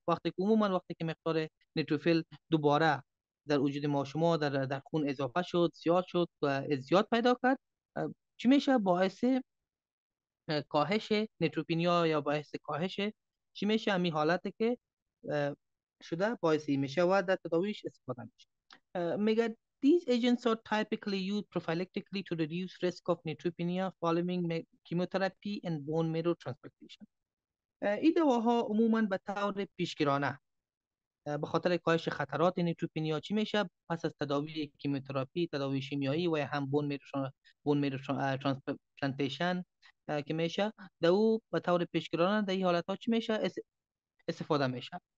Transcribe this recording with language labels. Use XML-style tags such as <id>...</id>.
<fa>وقتی که عموما وقتی که مقدار نیتروفیل دوباره در وجود ما شما در خون اضافه شد، زیاد شد و ازدیاد پیدا کرد، چی میشه؟ باعث کاهش نیتروپینیا یا باعث کاهش چی میشه؟ همین حالته که شده باعث میشه و در تداویش استفاده میشه.</fa> <en>میگه These agents are typically used prophylactically to reduce risk of neutropenia following chemotherapy and bone marrow transplantation.</en> <fa>این دواها عموماً به طور پیشگیرانه به خاطر کاهش خطرات نیتروپینیا چی میشه؟ پس از تداوی کیموتراپی، تداوی شیمیایی و هم بون میرو ترانسپلانتیشن که میشه، دو به طور پیشگیرانه در این حالت ها چی میشه؟ استفاده میشه.</fa>